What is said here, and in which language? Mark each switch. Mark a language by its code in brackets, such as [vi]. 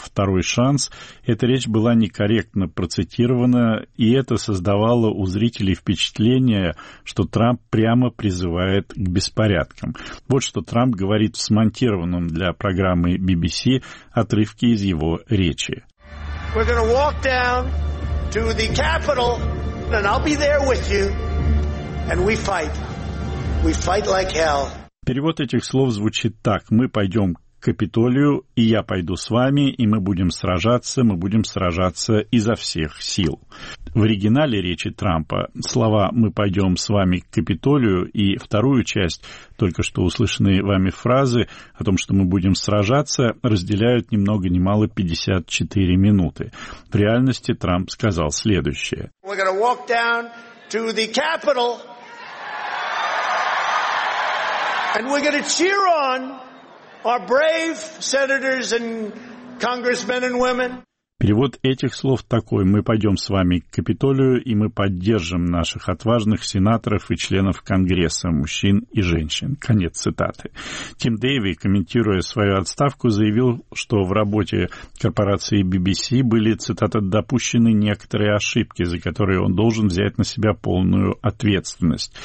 [ru] Второй шанс» эта речь была некорректно процитирована, и это создавало у зрителей впечатление, что Трамп прямо призывает к беспорядкам. Вот что Трамп говорит в смонтированном для программы BBC отрывке из его речи. [en] We're going to walk down to the Capitol, and I'll be there with you, and we fight. We fight like hell. [ru] Перевод этих слов звучит так. Мы пойдем к Капитолию, и я пойду с вами, и мы будем сражаться изо всех сил. В оригинале речи Трампа слова «мы пойдем с вами к Капитолию» и вторую часть, только что услышанные вами фразы о том, что мы будем сражаться, разделяют ни много ни мало 54 минуты. В реальности Трамп сказал следующее. [en] We're gonna walk down to the Capitol, and we're gonna cheer on our brave senators and congressmen and women. [ru] Перевод этих слов такой. Мы пойдем с вами к Капитолию, и мы поддержим наших отважных сенаторов и членов Конгресса, мужчин и женщин. Конец цитаты. Тим Дэви, комментируя свою отставку, заявил, что в работе корпорации BBC были, цитата, допущены некоторые ошибки, за которые он должен взять на себя полную ответственность.